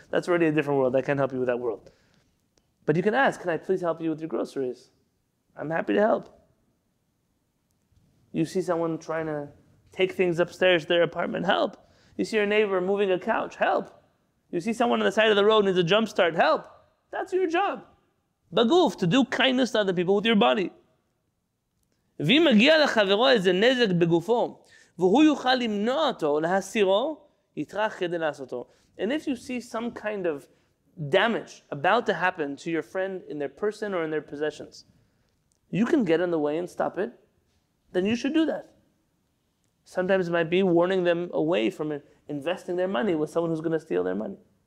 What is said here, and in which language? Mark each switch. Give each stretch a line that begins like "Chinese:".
English: That's already a different world. I can't help you with that world. But you can ask, can I please help you with your groceries? I'm happy to help. You see someone trying to take things upstairs to their apartment, help. You see your neighbor moving a couch, help. You see someone on the side of the road needs a jump start, help. That's your job. Baguf, to do kindness to other people with your body.
Hebrew: ואם מגיע לחברו איזה נזק בגופו, והוא יוכל למנוע אותו, להסירו, יתרח כדי לעשותו.
English: And if you see some kind of damage about to happen to your friend in their person or in their possessions, you can get in the way and stop it, then you should do that. Sometimes it might be warning them away from investing their money with someone who's going to steal their money.